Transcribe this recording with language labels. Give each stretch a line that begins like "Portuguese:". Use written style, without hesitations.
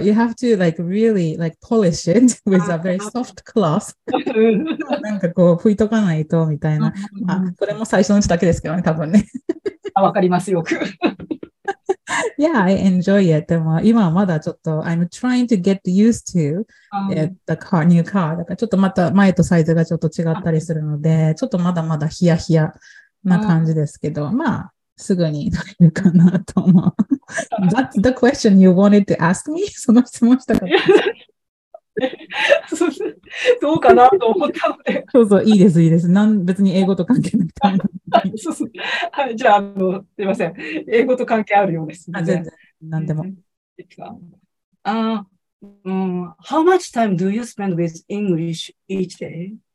English: You have to like really like polish it with a very soft cloth.
Japanese: なんかこう拭いとかないとみたいな。まあ、これも最初のうちだけですけどね、多分ね。あ、わかりますよく。
English: Yeah, I enjoy it.
Japanese: でも今はまだちょっと
English: I'm trying to get used to the car, new car.
Japanese: だからちょっとまた前とサイズがちょっと違ったりするので、ちょっとまだまだヒヤヒヤな感じですけど、まあすぐに乗れるかなと思う。
English: That's the question you wanted to ask me?
Japanese: その質問したかった。どうかなと思ったので。そうそう、いいです、いいです。別に英語と関係なくて。そうそう、はい。じゃあ、すいません。英語と関係あるようです、ね。全然、何でも。
English: How much time do you spend with English each day?